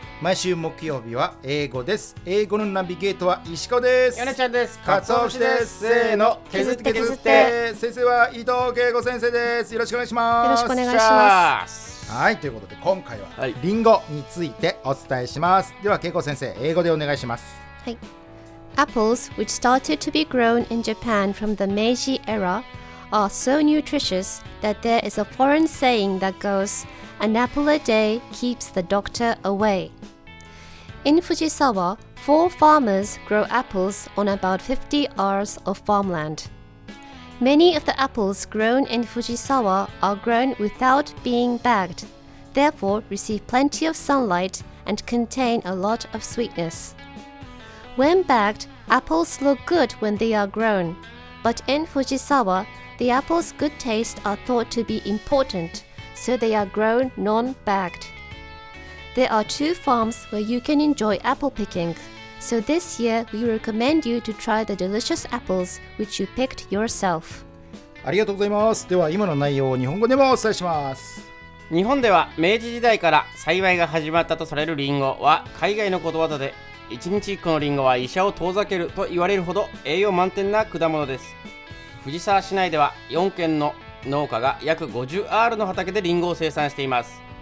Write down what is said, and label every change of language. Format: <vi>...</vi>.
<ja>毎週木曜日は英語です。英語のナビゲートは石子です。ヨネちゃんです。カツオ節です。せーの、削って削って。先生は伊藤圭吾先生です。よろしくお願いします。よろしくお願いします。はい、ということで今回はリンゴについてお伝えします。では圭吾先生、英語でお願いします。はい。</ja> <en>Apples, which started to be grown in Japan from the Meiji eraAre so nutritious that there is a foreign saying that goes, "An apple a day keeps the doctor away." In Fujisawa, four farmers grow apples on about 50 acres of farmland. Many of the apples grown in Fujisawa are grown without being bagged, therefore receive plenty of sunlight and contain a lot of sweetness. When bagged, apples look good when they are grown, but in Fujisawa,The apple's good taste are thought to be important, so they are grown non-bagged. There are two farms where you can enjoy apple picking, so this year we recommend you to try the delicious apples which you picked yourself.</en> <ja>ありがとうございます。では今の内容を日本語でもお伝えします。日本では明治時代から栽培が始まったとされるリンゴは海外の言葉で、一日一個のリンゴは医者を遠ざけると言われるほど栄養満点な果物です。藤沢市内では4軒の農家が約50アールの畑でリンゴを生産しています。</ja>